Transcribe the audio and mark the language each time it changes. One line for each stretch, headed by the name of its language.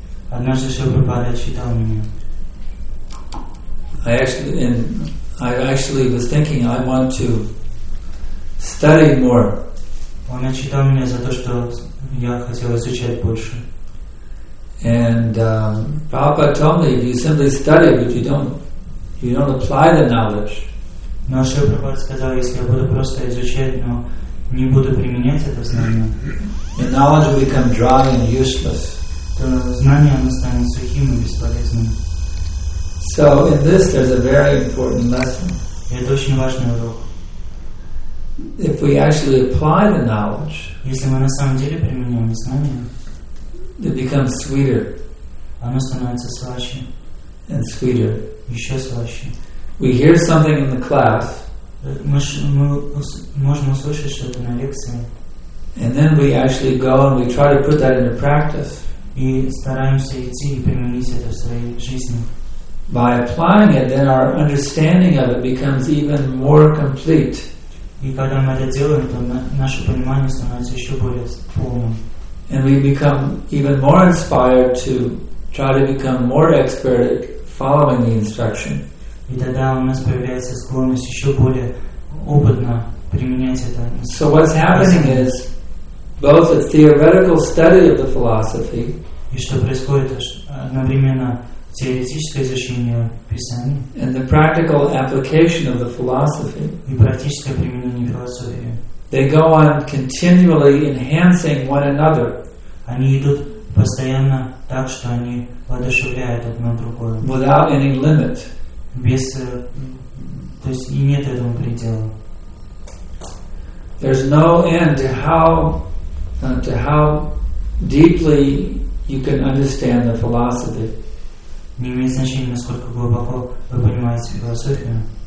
Russian: Однажды Шрила читал меня.
English: I actually was thinking I want to study more.
Russian: Он отчитал меня за то, что я хотел изучать больше.
English: And Prabhupada told me, if you simply study but you don't apply the knowledge.
Russian: Но Шрила Прабхупада сказал, если я буду просто изучать, но не буду применять это знание.
English: The knowledge will become dry and useless.
Russian: То знание оно станет сухим и бесполезным.
English: So in this there's a very important lesson.
Russian: Это очень важный урок.
English: If we actually apply the knowledge,
Russian: если мы на самом деле применяем знание,
English: it becomes sweeter.
Russian: Оно становится слаще.
English: And sweeter.
Russian: Еще слаще.
English: We hear something in the class.
Russian: Мы можем услышать что-то на лекции.
English: And then we actually go and we try to put that into practice.
Russian: И стараемся идти и применить это в своей жизни.
English: By applying it, then our understanding of it becomes even more complete.
Russian: И когда мы это делаем, то наше понимание становится еще более полным.
English: And we become even more inspired to try to become more expert at following the instruction.
Russian: И тогда у нас появляется склонность еще более опытно применять это.
English: So what's happening is both a theoretical study of the philosophy.
Russian: И что происходит одновременно теоретическое изучение писания.
English: And the practical application of the philosophy.
Russian: И практическое применение философии.
English: They go on continually enhancing one another.
Russian: Они идут постоянно так, что они воодушевляют одно другое.
English: Without any limit.
Russian: Без, то есть и нет этому предела.
English: There's no end to how deeply you can understand the philosophy.
Russian: Не имеет значения, насколько глубоко вы понимаете философию.